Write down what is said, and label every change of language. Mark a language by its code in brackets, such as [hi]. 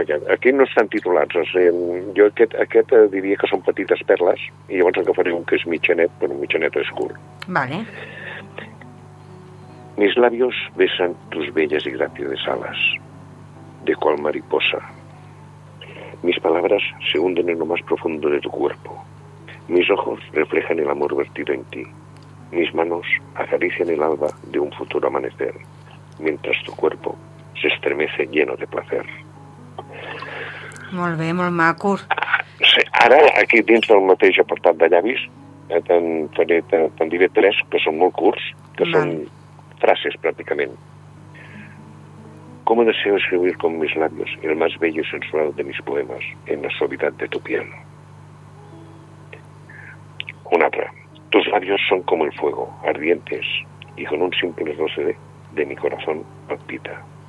[ca] aquí no estan titulats, o sigui, jo aquest diria que són petites perles, i llavors agafaré un que és mitjanet, però un mitjanet és curt. Vale. [es] Mis labios besan tus bellas y grácides alas, de cual mariposa. Mis palabras se hunden en lo más profundo de tu cuerpo. Mis ojos reflejan el amor vertido en ti. Mis manos acarician el alba de un futuro amanecer, mientras tu cuerpo se estremece lleno de placer. [ca] Molt bé, molt maco. Sí, ara, aquí dins del mateix apartat de llavis, te'n diré tres que són molt curts, que Val. Són frases, pràcticament. [es] ¿Cómo deseo escribir con mis labios el más bello y sensual de mis poemas en la suavidad de tu piel? [ca] Una altra. [es] Tus labios son como el fuego, ardientes, y con un simple roce de mi corazón palpita.